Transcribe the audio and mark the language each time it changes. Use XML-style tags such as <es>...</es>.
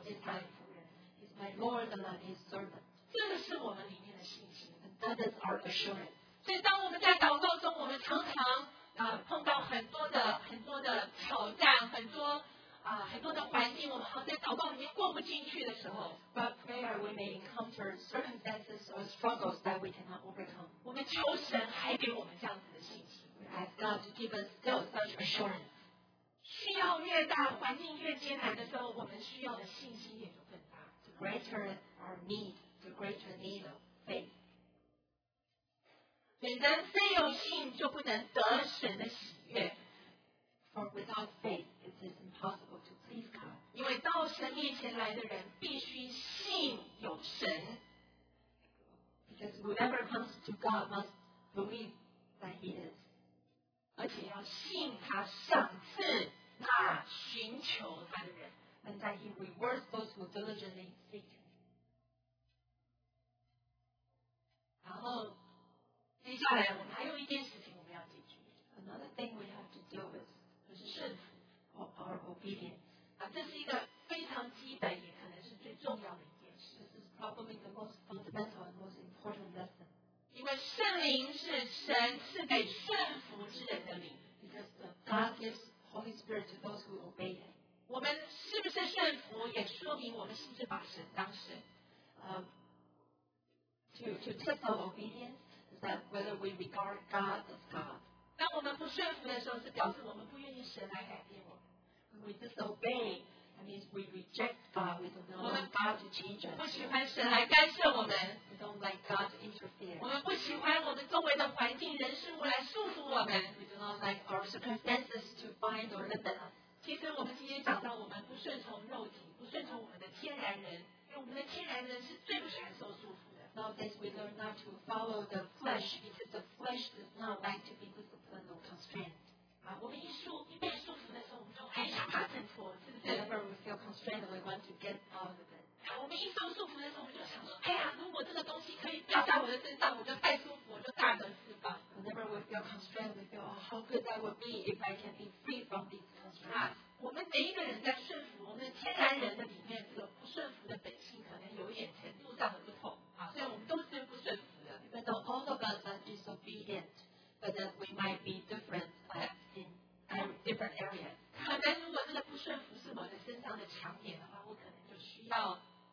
<en>，is my friend, is my Lord and my servant.</en> <zh>这个是我们里面的信心</zh> <en>，and that is our assurance.</en> <zh>所以当我们在祷告中，我们常常碰到很多的挑战，很多的环境，我们好像在祷告里面过不进去的时候</zh> <en>，but prayer we may encounter circumstances or struggles that we cannot overcome.</en> <zh>我们求神还给我们这样子的信心</zh> <en>，we ask God to give us still such assurance.</en> <zh>需要越大，环境越艰难的时候，我们需要的信心也就更大。</zh> <en>The greater our need, the greater need of faith.</en> <zh>所以人非有信就不能得神的喜悦。</zh> <en>For without faith, it is impossible to please God.</en> <zh>因为到神面前来的人必须信有神。</zh> <en>Because whoever comes to God must believe that He is.</en> <zh>而且要信他赏赐那寻求他的人</zh> <en>，and that he rewards those who diligently seek him.</en> <zh>然后接下来我们还有一件事情我们要解决</zh> <en>，another thing we have to deal with</en> <zh>就是顺服</zh> <en>or obedience.</en> <zh>这是一个非常基本，也可能是最重要的一件事。</zh> <en>This is probably the most fundamental and most important lesson.</en> <zh>因为圣灵是神赐给顺服之人的灵</zh> <en>，because the God gives Holy Spirit to those who obey Him.</en> <zh>我们是不是顺服，也说明我们是不是把神当神。</zh> <en>To test our obedience is that whether we regard God as God.</en> <zh>当我们不顺服的时候，是表示我们不愿意神来改变我们。</zh> <en>When we disobey, that means we reject God. We don't want God to change us.</en> <zh>不喜欢神来干涉我们。</zh> <en>Don't like God to interfere.</en> <zh>我们不喜欢我们周围的环境、人事物来束缚我们。</zh> <en>We do not like our circumstances to bind or limit us.</en> <zh>其实我们今天讲到，我们不顺从肉体，不顺从我们的天然人，因为我们的天然人是最不喜欢受束缚的。</zh> <en>Nowadays we learn not to follow the flesh because the flesh does not like to be disciplined or constrained.</en> <zh>我们一被束缚的时候，我们就很想把它挣脱，是不是</zh> <en>？Whenever we feel constrained, we want to get out of it.</en> <zh>我们一受束缚的时候，我们就想说：“哎呀，如果这个东西可以掉在我的身上，我就太舒服，我就大得释放。”</zh> <en>Whenever we feel constrained, we feel, "Oh, how good that would be if I can be free from these constraints."</en> <zh>我们每一个人在顺服，我们天然人的里面，这个不顺服的本性可能有一点程度上的不同啊，所以我们都是不顺服的。</zh> <en>Even though all of us are disobedient, but that we might be different in different areas.</en> <zh>可能如果这个不顺服是某个身上的强点的话，我可能就需要。</zh>